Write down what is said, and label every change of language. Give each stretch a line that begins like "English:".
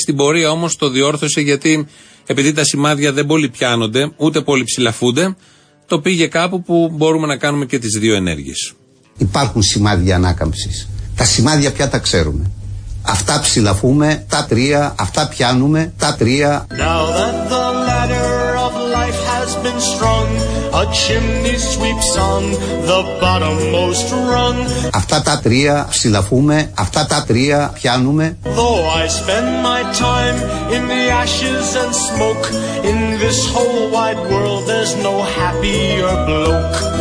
Greek: Στην πορεία όμως το διόρθωσε γιατί επειδή τα σημάδια δεν πολύ πιάνονται ούτε πολύ ψηλαφούνται, το πήγε κάπου που μπορούμε να κάνουμε και τις δύο ενέργειες. Υπάρχουν σημάδια ανάκαμψης. Τα σημάδια πια τα ξέρουμε. Αυτά ψηλαφούμε, τα τρία, αυτά πιάνουμε, τα τρία.
English: Now that the ladder of life has been strung, a chimney sweeps on the bottom most rung.
Greek: Αυτά τα τρία ψηλαφούμε, αυτά τα τρία πιάνουμε.
English: Though I spend my time in the ashes and smoke, in this whole wide world there's no happier bloke.